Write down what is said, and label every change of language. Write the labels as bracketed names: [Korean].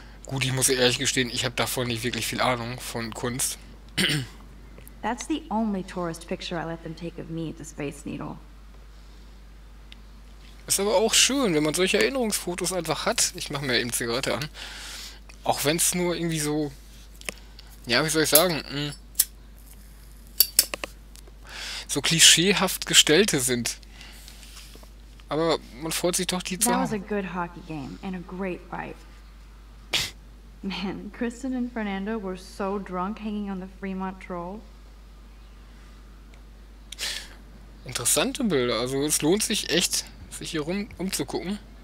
[German] Gut, ich muss ehrlich gestehen, ich habe davon nicht wirklich viel Ahnung von Kunst. [English] That's the only tourist picture I let them take of me at the Space Needle. [German] Ist aber auch schön, wenn man solche Erinnerungsfotos einfach hat. Ich mache mir eben Zigarette an. Auch wenn es nur irgendwie so. Ja, wie soll ich sagen? So klischeehaft gestellte sind. Aber man freut sich doch, die zu [English] That [German] haben. [English] Was a good hockey game and a great fight. Man, Kristen and Fernando were so drunk hanging on the Fremont Troll. [German] Interessante Bilder, also es lohnt sich echt, sich hier umzugucken.